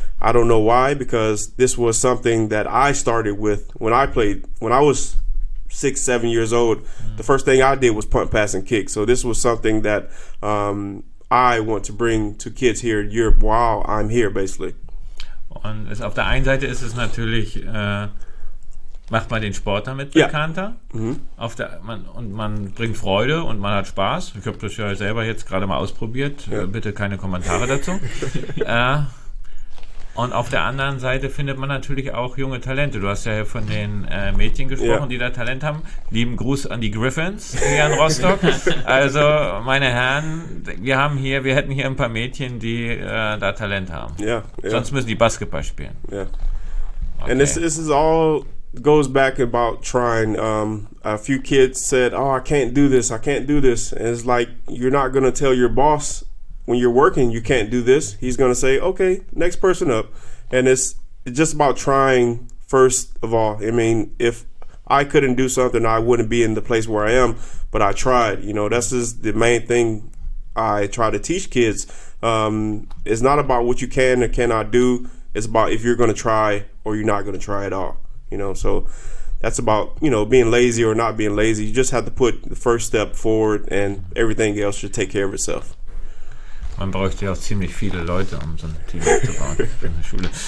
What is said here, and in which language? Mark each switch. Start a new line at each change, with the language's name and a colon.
English: I don't know why, because this was something that I started with when I was six, 7 years old, the first thing I did was punt, pass, and kick. So this was something that I want to bring to kids here in Europe while I'm here, basically.
German: Und es, auf der einen Seite ist es natürlich, macht man den Sport damit bekannter. Auf der, man, und man bringt Freude und man hat Spaß. Ich habe das ja selber jetzt gerade mal ausprobiert. Bitte keine Kommentare dazu. Und auf der anderen Seite findet man natürlich auch junge Talente. Du hast ja hier von den Mädchen gesprochen, die da Talent haben. Lieben Gruß an die Griffins hier in Rostock. Also, meine Herren, wir haben hier, wir hätten hier ein paar Mädchen, die da Talent haben. Sonst müssen die Basketball spielen.
English: And this is all goes back about trying. A few kids said, oh, I can't do this, I can't do this. And it's like, you're not going to tell your boss, when you're working, you can't do this. He's going to say, okay, next person up. And it's just about trying, first of all. I mean, if I couldn't do something, I wouldn't be in the place where I am. But I tried. You know, this is the main thing I try to teach kids. It's not about what you can or cannot do. It's about if you're going to try or you're not going to try at all. You know, so that's about, you know, being lazy or not being lazy. You just have to put the first step forward and everything else should take care of itself.
German: Man bräuchte ja auch ziemlich viele Leute, um so ein Team zu bauen in der Schule.